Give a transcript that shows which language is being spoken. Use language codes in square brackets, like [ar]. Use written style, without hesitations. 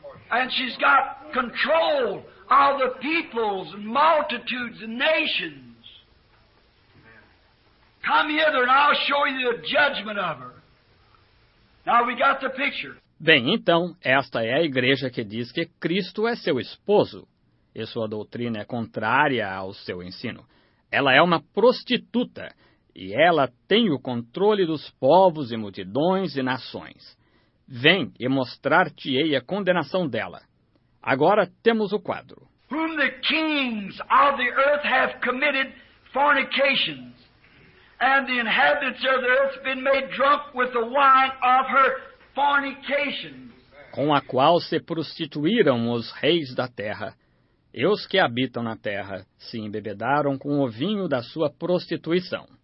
[en] And she's got control of the peoples, multitudes, and nations. Come hither and I'll show you the judgment of her. Now we got the picture. [pt] Bem, então, esta é a igreja que diz que Cristo é seu esposo. E sua doutrina é contrária ao seu ensino. Ela é uma prostituta. E ela tem o controle dos povos e multidões e nações. Vem e mostrar-te-ei a condenação dela. Agora temos o quadro. [en] Whom the kings of the earth have committed fornications, and the inhabitants of the earth been made drunk with the wine of her fornications. [pt] Com a qual se prostituíram os reis da terra, e os que habitam na terra se embebedaram com o vinho da sua prostituição.